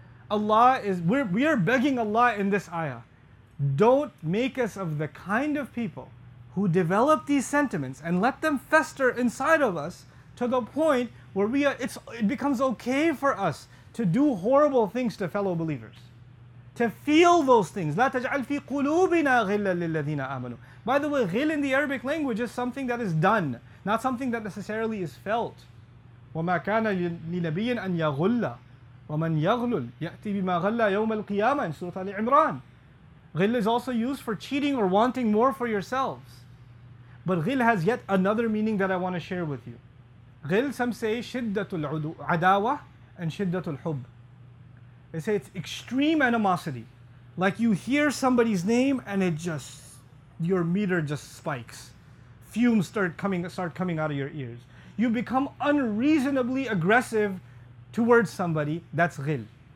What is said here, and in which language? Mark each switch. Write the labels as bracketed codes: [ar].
[en] We are begging Allah in this ayah, don't make us of the kind of people who develop these sentiments and let them fester inside of us to the point where it becomes okay for us to do horrible things to fellow believers, to feel those things. [ar] لَا تَجْعَلْ فِي قُلُوبِنَا غِلًّا لِلَّذِينَ آمَنُوا. [en] By the way, غِل in the Arabic language is something that is done, not something that necessarily is felt. [ar] وَمَا كَانَ لِنَبِيٍّ أَن يَغُلَّ وَمَن يَغْلُلْ يَأْتِ بِمَا غَلَّ يَوْمَ الْقِيَامَةِ [en] in Surah Al-Imran. غِل is also used for cheating or wanting more for yourselves. But غِل has yet another meaning that I want to share with you. [ar] غِل, [en] some say, [ar] شِدَّةُ الْعَدَاوَةِ [en] and [ar] شِدَّةُ الْحُبِّ. [en] They say it's extreme animosity. Like you hear somebody's name and it just, your meter just spikes. Fumes start coming out of your ears. You become unreasonably aggressive towards somebody. That's ghil.